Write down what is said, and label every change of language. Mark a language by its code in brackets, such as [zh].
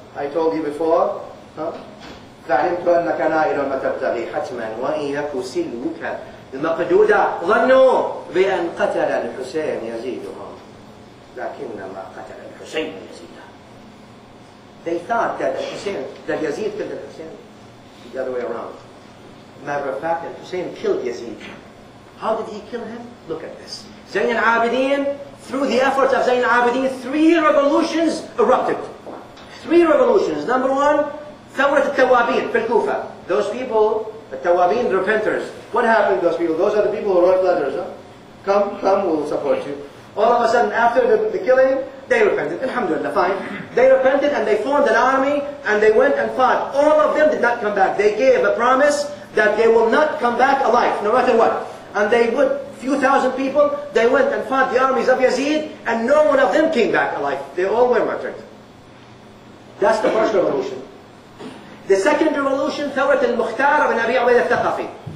[en] I told you before, [ar] فعلمت أنك نائر ما تبتغي حتما وإن يك سلوك المقدود ظنوا بأن قتل الحسين يزيدهم لكنما قتل الحسين يزيد. [en] They thought that Hussein, that Yazid killed Hussein. The other way around. Matter of fact, Hussein killed Yazid. How did he kill him? Look at this. Zain al-Abidin, through the efforts of Zain al-Abidin, three revolutions erupted. Three revolutions. Number one, [ar] ثورة التوابين في الكوفة. [en] Those people, the Tawabin, the repenters. What happened to those people? Those are the people who wrote letters. Huh? Come, we'll support you. All of a sudden, after the killing, they repented. Alhamdulillah, fine. They repented and they formed an army and they went and fought. All of them did not come back. They gave a promise that they will not come back alive, no matter what. And they put a few thousand people, they went and fought the armies of Yazid, and no one of them came back alive. They all were martyred. That's the first revolution. The second revolution, [ar] ثورة المختار بن أبي عبيدة الثقفي.